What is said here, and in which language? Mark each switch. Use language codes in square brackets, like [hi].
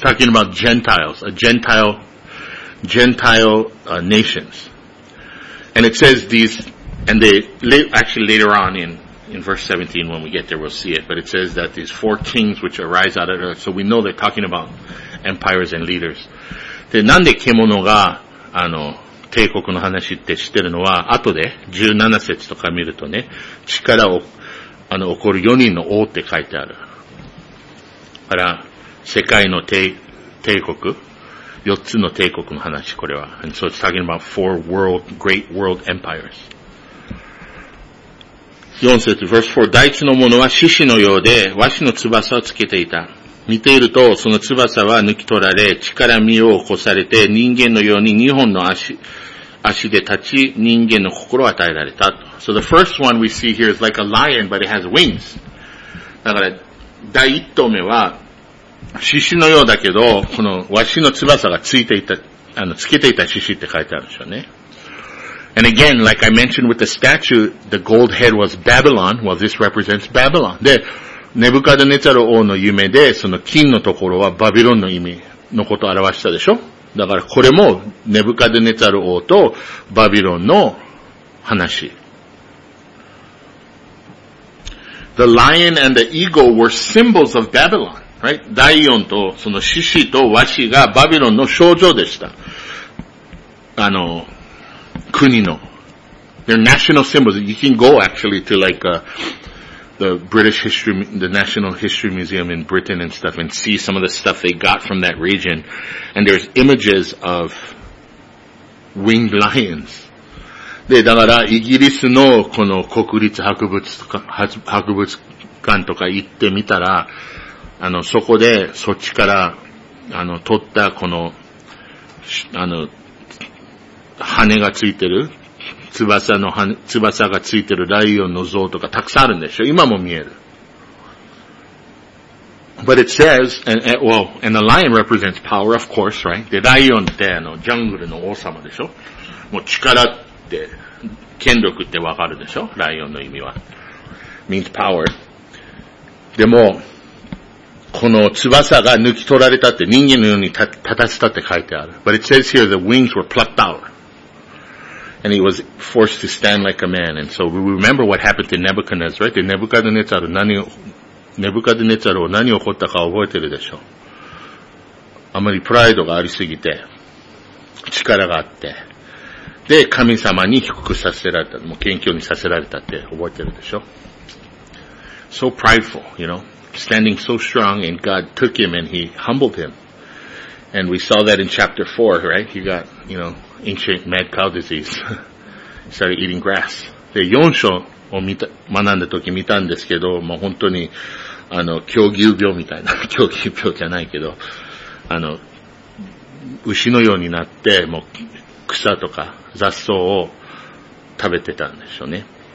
[en] It's talking about Gentiles, a Gentile nations. And it says these, and they, actually later on in verse 17 when we get there we'll see it, but it says that these four kings which arise out of earth, so we know they're talking about empires and leaders. [ja] で、なんで獣があの、帝国の話って知ってるのは、後で17節とか見るとね、力をあの、起こる4人の王って書いてある。だから、世界の帝国、四つの帝国の話、これは。 [en] And so it's talking about four world, great world empires. [ja] 四節、verse 4, 大地のものは獅子のようで、和紙の翼をつけていた。見ていると、その翼は抜き取られ、力身を起こされて、人間のように二本の足で立ち、人間の心を与えられた。 [en] So the first one we see here is like a lion, but it has wings. [ja] だから、第一頭目は、獅子のようだけど、このワシの翼がついていた、あの、つけていた獅子って書いてあるんでしょうね。 [en] And again, like I mentioned with the statue, the gold head was Babylon. Well, this represents Babylon. [ja] で、ネブカドネツァル王の夢で、その金のところはバビロンの意味のことを表したでしょ。だからこれもネブカドネツァル王とバビロンの話。 [en] The lion and the eagle were symbols of Babylon. Right? [ja] ライオンとその獅子とワシがバビロンの象徴でした。あの、国の。 [en] They're national symbols. You can go actually to like the British History, the National History Museum in Britain and stuff and see some of the stuff they got from that region. And there's images of winged lions. [ja] で、だから、イギリスの、この、国立博物館とか行ってみたら、あの、そこで、そっちから、あの、撮った、この、あの、羽がついてる、翼がついてるライオンの像とか、たくさんあるんでしょ? 今も見える。 [en] But it says, and the lion represents power, of course, right? [ja] で、ライオンって、あの、ジャングルの王様でしょ?もう、力って、権力ってわかるでしょ? ライオンの意味は。 [en] means power. [ja] でも、この翼が抜き取られたって人間のように立たせたって書いてある。 [en] But it says here the wings were plucked out. And he was forced to stand like a man. And so we remember what happened to Nebuchadnezzar, right? [ja] ネブカドネツァル何起こったか覚えてるでしょ?あまりプライドがありすぎて、力があって、で、神様に低くさせられた、もう謙虚にさせられたって覚えてるでしょ? [en] So prideful, you know, standing so strong and God took him and he humbled him. And we saw that in chapter 4, right? He got, you know, ancient mad cow disease. He started eating grass. [ja] で、4章を学んだ時見たんですけど、もう本当に、あの、狂牛病みたいな、狂牛病じゃないけど、あの、牛のようになって、もう草とか、雑草を食べてたんでしょうね。